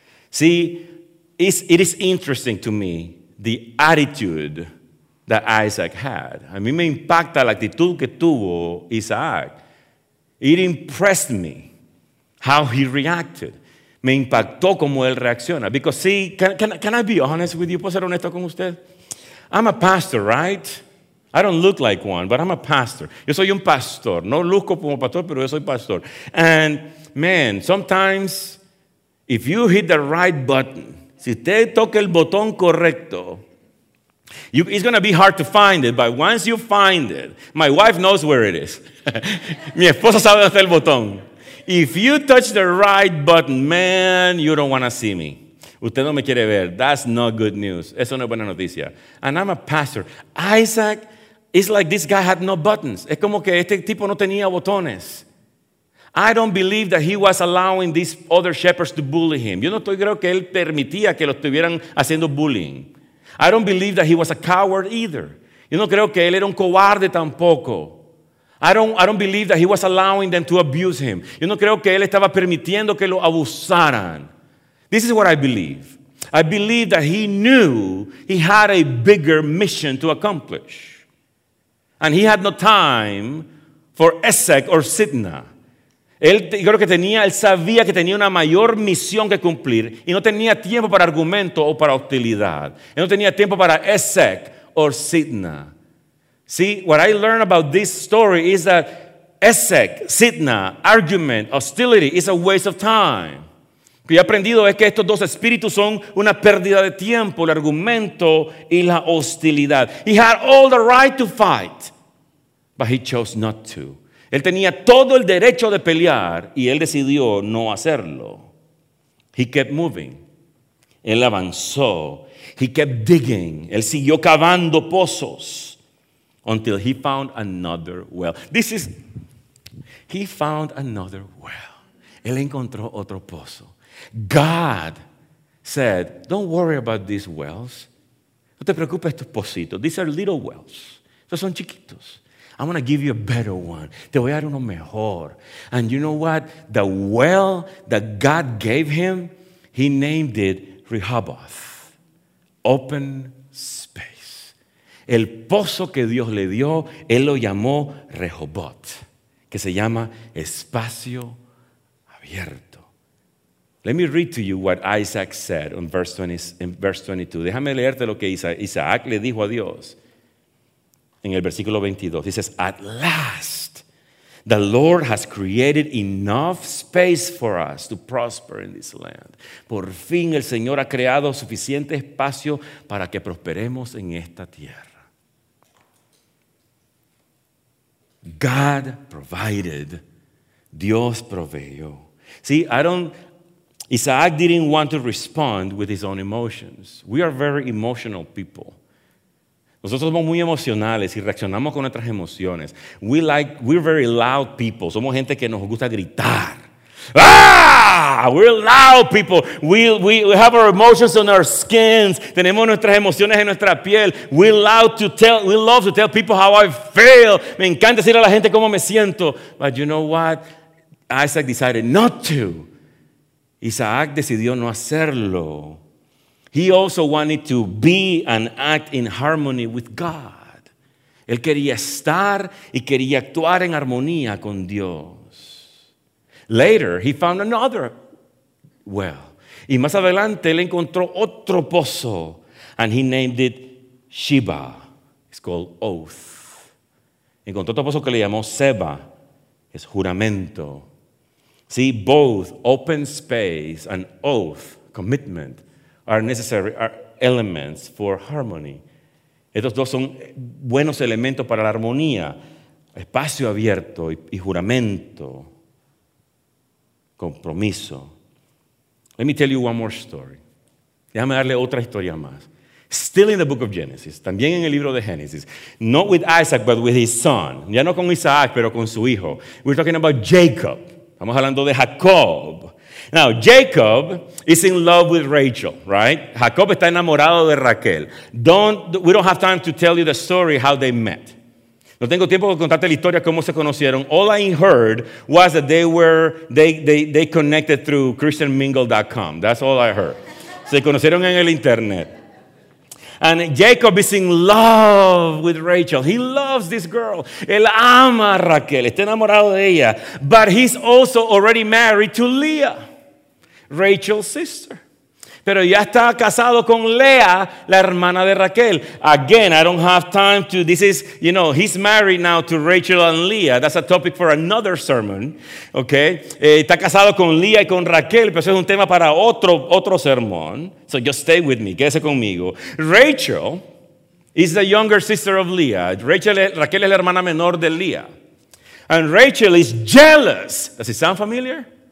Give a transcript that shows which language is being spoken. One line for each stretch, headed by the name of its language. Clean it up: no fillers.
English: See, it is interesting to me the attitude that Isaac had.
Spanish: A mí me impacta la actitud que tuvo Isaac.
English: It impressed me how he reacted.
Spanish: Me impactó cómo él reacciona.
English: Because see, can I be honest with you?
Spanish: ¿Puedo ser honesto con usted?
English: I'm a pastor, right? I don't look like one, but I'm a pastor.
Spanish: Yo soy un pastor. No luzco como pastor, pero yo soy pastor.
English: And man, sometimes if you hit the right button,
Spanish: si usted toca el botón correcto,
English: it's going to be hard to find it, but once you find it, my wife knows where it is.
Spanish: Mi esposa sabe dónde está el botón.
English: If you touch the right button, man, you don't want to see me.
Spanish: Usted no me quiere ver.
English: That's not good news.
Spanish: Eso no es buena noticia.
English: And I'm a pastor. Isaac, it's like this guy had no buttons.
Spanish: Es como que este tipo no tenía botones.
English: I don't believe that he was allowing these other shepherds to bully him.
Spanish: Yo no estoy creo que él permitía que lo estuvieran haciendo bullying.
English: I don't believe that he was a coward either.
Spanish: Yo no creo que él era un cobarde tampoco.
English: I don't believe that he was allowing them to abuse him.
Spanish: Yo no creo que él estaba permitiendo que lo abusaran.
English: This is what I believe. I believe that he knew he had a bigger mission to accomplish. And he had no time for Esek or Sitna.
Spanish: Él creo que tenía, él sabía que tenía una mayor misión que cumplir y no tenía tiempo para argumento o para hostilidad. Él no tenía tiempo para Esek or Sitna.
English: See, what I learned about this story is that Esek, Sitna, argument, hostility is a waste of time.
Spanish: Lo que he aprendido es que estos dos espíritus son una pérdida de tiempo, el argumento y la hostilidad.
English: He had all the right to fight, but he chose not to.
Spanish: Él tenía todo el derecho de pelear y él decidió no hacerlo.
English: He kept moving.
Spanish: Él avanzó.
English: He kept digging.
Spanish: Él siguió cavando pozos
English: until he found another well. He found another well.
Spanish: Él encontró otro pozo.
English: God said, don't worry about these wells.
Spanish: No te preocupes estos pocitos.
English: These are little wells.
Spanish: Estos son chiquitos.
English: I'm going to give you a better one.
Spanish: Te voy a dar uno mejor.
English: And you know what? The well that God gave him, he named it Rehoboth. Open space.
Spanish: El pozo que Dios le dio, él lo llamó Rehoboth, que se llama espacio abierto.
English: Let me read to you what Isaac said in verse 20, in verse 22.
Spanish: Déjame leerte lo que Isaac le dijo a Dios en el versículo 22.
English: He says, at last, the Lord has created enough space for us to prosper in this land.
Spanish: Por fin el Señor ha creado suficiente espacio para que prosperemos en esta tierra.
English: God provided.
Spanish: Dios proveyó.
English: See, Isaac didn't want to respond with his own emotions. We are very emotional people.
Spanish: Nosotros somos muy emocionales y reaccionamos con nuestras emociones.
English: We're very loud people.
Spanish: Somos gente que nos gusta gritar.
English: ¡Ah! We're loud people. We have our emotions on our skins.
Spanish: Tenemos nuestras emociones en nuestra piel.
English: We love to tell people how I feel.
Spanish: Me encanta decirle a la gente cómo me siento.
English: But you know what? Isaac decided not to.
Spanish: Isaac decidió no hacerlo.
English: He also wanted to be and act in harmony with God.
Spanish: Él quería estar y quería actuar en armonía con Dios.
English: Later, he found another well.
Spanish: Y más adelante, él encontró otro pozo.
English: And he named it Sheba. It's called Oath.
Spanish: Encontró otro pozo que le llamó Seba. Es juramento.
English: See, both open space and oath, commitment, are elements for harmony.
Spanish: Estos dos son buenos elementos para la armonía. Espacio abierto y juramento. Compromiso.
English: Let me tell you one more story.
Spanish: Déjame darle otra historia más.
English: Still in the book of Genesis,
Spanish: también en el libro de Génesis.
English: Not with Isaac, but with his son.
Spanish: Ya no con Isaac, pero con su hijo.
English: We're talking about Jacob.
Spanish: Estamos hablando de Jacob.
English: Now, Jacob is in love with Rachel, right?
Spanish: Jacob está enamorado de Raquel.
English: We don't have time to tell you the story how they met.
Spanish: No tengo tiempo de contarte la historia cómo se conocieron.
English: All I heard was that they connected through christianmingle.com. That's all I heard.
Spanish: Se conocieron en el internet.
English: And Jacob is in love with Rachel. He loves this girl.
Spanish: Él ama a Raquel. Está enamorado de ella.
English: But he's also already married to Leah, Rachel's sister.
Spanish: Pero ya está casado con Leah, la hermana de Raquel.
English: Again, I don't have time to, this is, you know, he's married now to Rachel and Leah. That's a topic for another sermon, okay?
Spanish: Está casado con Leah y con Raquel, pero eso es un tema para otro sermón.
English: So just stay with me,
Spanish: quédese conmigo.
English: Rachel is the younger sister of Leah.
Spanish: Raquel es la hermana menor de Leah.
English: And Rachel is jealous. Does it sound familiar?